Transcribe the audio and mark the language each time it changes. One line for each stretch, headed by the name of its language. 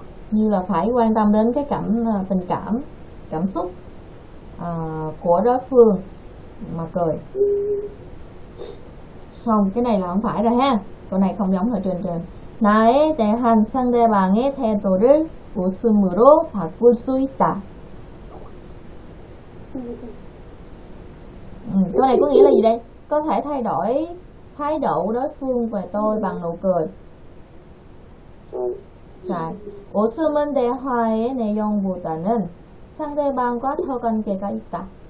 Vietnamese: Như là phải quan tâm đến cái cảm tình cảm cảm xúc của đối phương mà cười. Không, cái này là không phải rồi ha. Câu này không giống ở trên trên.
Korean: 나의 대한 상대방의 태도를 웃음으로 바꿀 수 있다.
Vietnamese: Câu này có nghĩa là gì đây? Có thể thay đổi thái độ đối phương về tôi bằng nụ cười. Sai.
Korean: 웃음은 대화의 내용보다는 상대방과 더 관계가 있다.